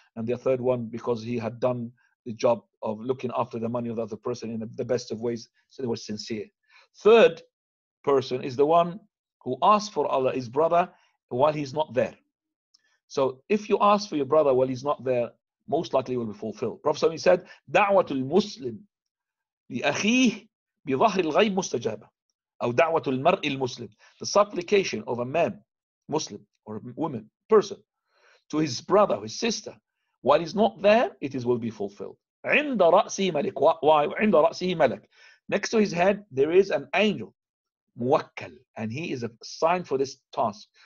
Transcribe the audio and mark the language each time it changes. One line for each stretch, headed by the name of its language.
English: And the third one, because he had done the job of looking after the money of the other person in the best of ways. So they were sincere. Third person is the one who asks for Allah, his brother, while he's not there. So if you ask for your brother while he's not there, most likely it will be fulfilled. Prophet ﷺ said,
Arabic: دَعْوَةُ الْمُسْلِمِ لِأَخِيهِ بِظَهْرِ الْغَيْبِ مُسْتَجَابَ أو دَعْوَةُ الْمَرْءِ الْمُسْلِمِ.
English: The supplication of a man, Muslim, or a woman, person, to his brother, his sister, while he's not there, it is will be fulfilled.
Arabic: عِنْدَ رَأْسِهِ مَلِكُ.
English: Why?
Arabic: عِنْدَ رَأْسِهِ مَلَكُ.
English: Next to his head, there is an angel, Muwakkal, and he is a sign for this task.